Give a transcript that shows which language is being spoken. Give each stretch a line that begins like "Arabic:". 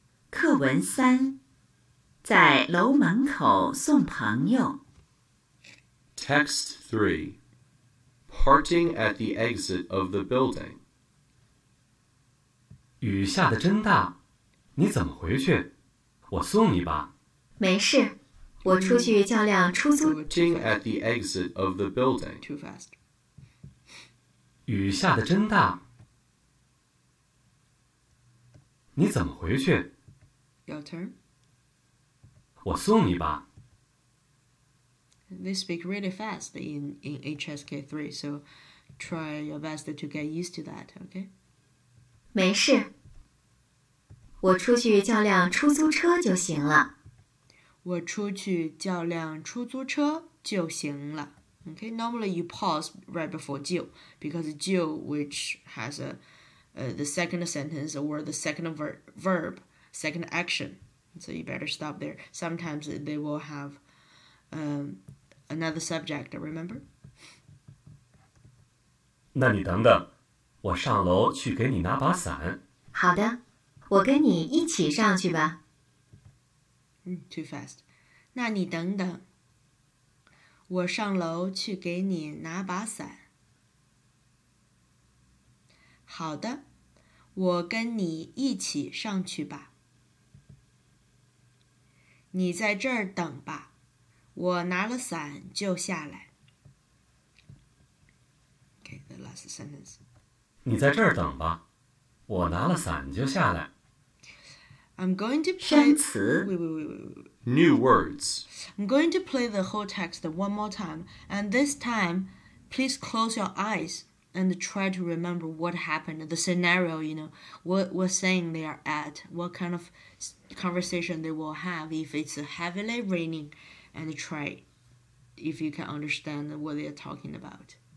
Chinese: 课文三，在楼门口送朋友。
English: Text 3, parting at the exit of the building.
Chinese: 雨下得真大，你怎么回去？我送你吧。没事，我出去叫辆出租。
English: Parting at the exit of the building. Too fast.
Chinese: 雨下得真大，你怎么回去
English: ？Your turn.
Chinese: 我送你吧。
English: They speak really fast in HSK3, so try your best to get used to that. Okay.
Chinese: 没事，我出去叫辆出租车就行了。我出去叫辆出租车就行了。
English: Okay, normally you pause right before 就 because 就 which has the second sentence or the second verb, second action. So you better stop there. Sometimes they will have another subject, remember?
Chinese: 那你等等，我上楼去给你拿把伞。好的，我跟你一起上去吧。
English: Too fast.
Chinese: 那你等等，我上楼去给你拿把伞。好的，我跟你一起上去吧。你在这儿等吧，我拿了伞就下来。
English: Okay, the last sentence.
Chinese: 你在这儿等吧，我拿了伞就下来。
English: I'm going to play...
Chinese: 生词
English: New words. I'm going to play the whole text one more time. And this time, please close your eyes and try to remember what happened, the scenario, you know, what we're saying they are at, what kind of conversation they will have if it's heavily raining, and try if you can understand what they are talking about.